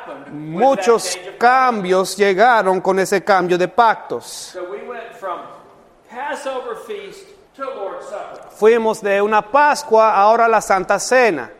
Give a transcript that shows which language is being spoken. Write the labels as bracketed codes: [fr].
[es] Muchos cambios llegaron con ese cambio de pactos. [en] So we went from Passover feast to Lord's Supper. [es] Fuimos de una Pascua ahora a la Santa Cena.